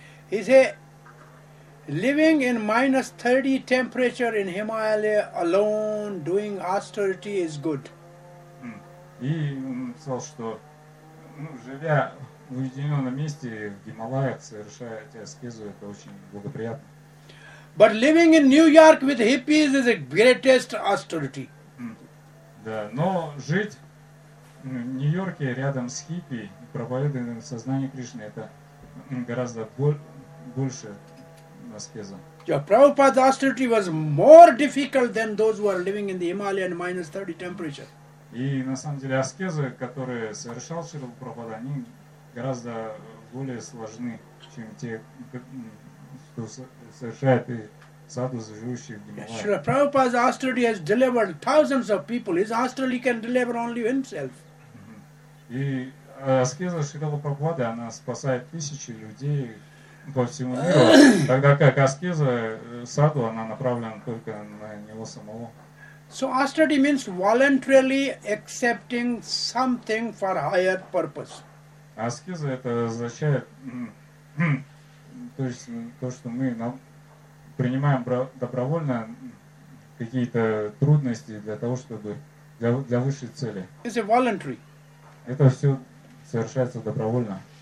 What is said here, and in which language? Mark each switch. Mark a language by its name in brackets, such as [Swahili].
[English] He said, living in minus 30 temperature in Himalaya alone, doing austerity is good. [Russian] И он написал, что живя в уединенном месте в Гималаях, совершая аскезу, это очень благоприятно. [English] But living in New York with hippies is the greatest austerity. [Russian] Да, но жить в Нью-Йорке рядом с хиппи, проповедуя сознание Кришны, это гораздо больше аскеза. [English] Yeah, Prabhupada's austerity was more difficult than those who are living in the Himalaya in minus 30 temperature. [Russian] И на самом деле аскезы, которые совершал Шрила Прабхупада, они гораздо более сложны, чем те, кто совершает и садхус, живущих в Гималаях. [English] Шрила Прабхупада's austerity has delivered thousands of people. His austerity can deliver only himself. [Russian] И аскеза Шрила Прабхупады, она спасает тысячи людей по всему миру, тогда как аскеза саду, она направлена только на него самого. [English] So austerity means voluntarily accepting something for higher purpose. [Russian] Аскеза это означает, то есть то, что мы принимаем добровольно какие-то трудности для того, чтобы для высшей цели. [English] Is it voluntary? [Russian] Это все совершается добровольно.